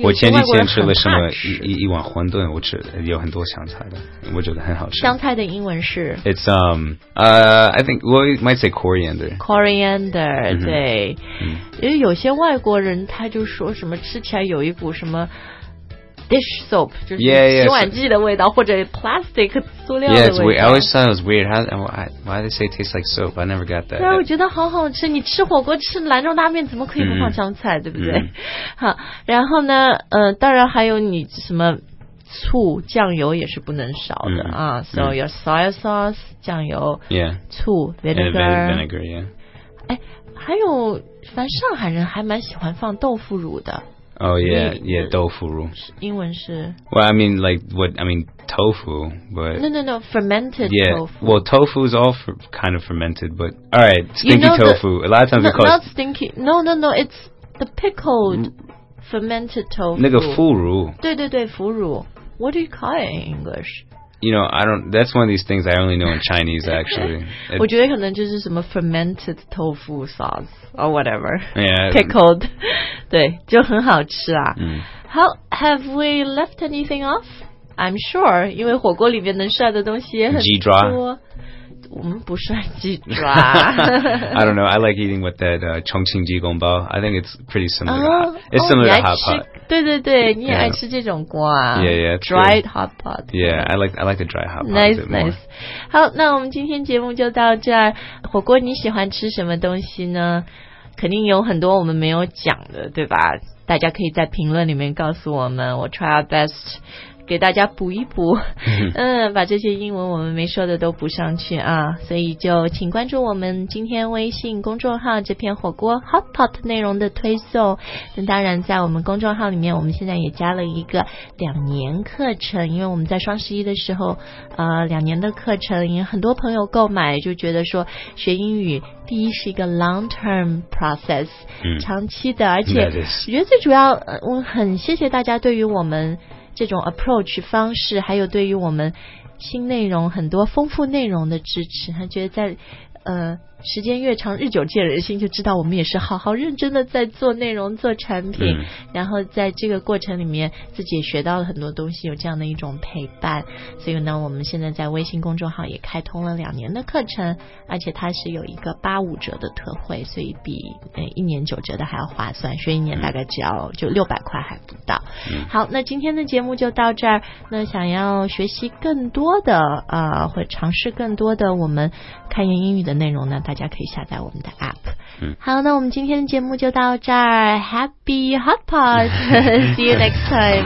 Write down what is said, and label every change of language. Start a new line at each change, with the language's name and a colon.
Chinese: 我前几天吃了什么一碗馄饨我吃有很多香菜的我觉得很好吃香菜的英文是
English: it's I think well, you might say coriander、 mm-hmm. 对、 mm-hmm.
Chinese: 因为有些外国人他就说什么吃起来有一股什么
English: Dish soap,
Chinese: 就是 yeah, yeah, 洗碗剂的味道，或者 plastic 塑料的味道。
English: Yeah, it's weird. I always thought it was weird. Why they say it tastes like soap? I never got that.
Chinese: 对，我觉得好好吃。你吃火锅吃兰州拉面，怎么可以不放香菜？对不对？好，然后呢，当然还有你什么醋、酱油也是不能少的啊。
English: So your soy sauce, 酱油，Yeah,
Chinese: 醋 ，vinegar,
English: and vinegar, yeah.
Chinese: 哎，还有，反正上海人还蛮喜欢放豆腐乳的。
English: Oh yeah, yeah, 豆腐乳。
Chinese: 英文是。
English: Well, I mean, like what I mean, tofu, but. No, fermented yeah, tofu. Well, tofu is all kind of fermented, but all right, stinky you know tofu. A lot of times it's not stinky. No, it's the pickled. fermented tofu.
Chinese: 那个腐乳。对对对，腐乳。
English: What do you call it in English? You know, I don't, that's one of these things I only know in Chinese, actually.
Chinese: 我觉得可能就是什么
English: fermented tofu sauce, or whatever. Yeah.
Chinese: Pickled. 对，就很好吃啊。嗯。
English: How, have we left anything off? I'm sure,
Chinese: 因为火锅里面能涮的东西也很多。鸡爪。我们不涮鸡爪。
English: I don't know, I like eating with that, 重庆鸡公包。 I think it's pretty similar to hot, it's similar to hot pot.
Chinese: 对对对，你也爱吃这种锅啊。 Yeah, yeah.
English: Dried hot pot. Yeah, I like the dry hot pot. Nice, nice.
Chinese: 好，那我们今天节目就到这儿。火锅你喜欢吃什么东西呢？肯定有很多我们没有讲的，对吧？大家可以在评论里面告诉我们，我
English: try our best.
Chinese: 给大家补一补，嗯，把这些英文我们没说的都补上去啊，所以就请关注我们今天微信公众号这篇火锅 hot pot 内容的推送。那当然，在我们公众号里面，我们现在也加了一个两年课程，因为我们在双十一的时候，两年的课程，因为很多朋友购买就觉得说学英语。第一是一个
English: long term process、嗯、
Chinese: 长期的，而且我觉得最主要我很谢谢大家对于我们这种 approach 方式还有对于我们新内容很多丰富内容的支持，他觉得在时间越长日久见人心，就知道我们也是好好认真的在做内容做产品、嗯、然后在这个过程里面自己也学到了很多东西，有这样的一种陪伴。所以呢我们现在在微信公众号也开通了两年的课程，而且它是有一个85折的特惠，所以比一年9折的还要划算，学一年大概只要就600块还不到、嗯、好，那今天的节目就到这儿。那想要学习更多的或尝试更多的我们开言英语的内容呢，大家可以下载我们的 app、嗯、好，那我们今天的节目就到这儿。
English: Happy Hot Pot. See you next time.